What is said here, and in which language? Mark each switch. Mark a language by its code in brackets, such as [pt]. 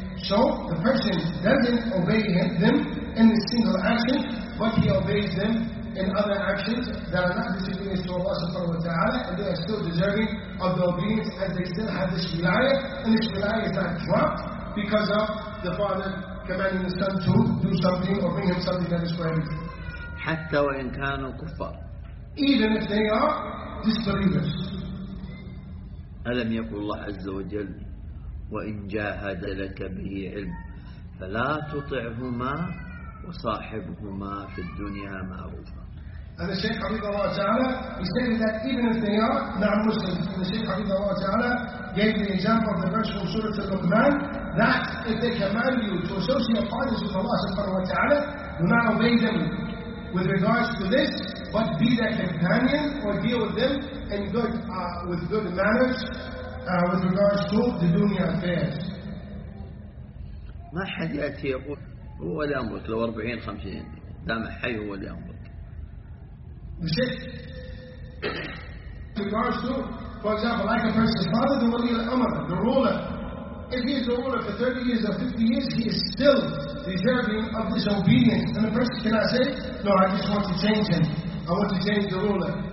[en] So the person doesn't obey them in a single action, but he obeys them in other actions that are not disobedient to Allah subhanahu wa ta'ala, and they are still deserving of the obedience, as they still have this wilaya, and this wilaya is not dropped because of the father commanding the son to do something or bring him something that is prohibited. [ar] حتى وإن كانوا كفار. [en] Even if they are disbelievers. [ar] ألم يقل الله عز وجل وإن جاهد لك به علم فلا تطعهما وصاحبهما في الدنيا معروفا. [en] And the Shaykh [ar] حفظه الله تعالى, [en] he stated that even if they are not Muslims, the Shaykh حفظه الله تعالى gave the example of the verse from Surah Al-Luqman, that if they command you to associate partners with Allah subhanahu wa ta'ala, do not obey them with regards to this, but be their companion or deal with them in good, with good manners with regards to the dunya affairs. [ar] ما حد يأتي يقول هو اللي أمرك لو 40 50 دام حي هو اللي أمرك. [en] The Shaykh, with regards to, for example, like a person's father, the wali al-amr, the ruler, if he is the ruler for 30 years or 50 years, he is still deserving of disobedience. And the person cannot say, no, I just want to change him. I want to change the ruler.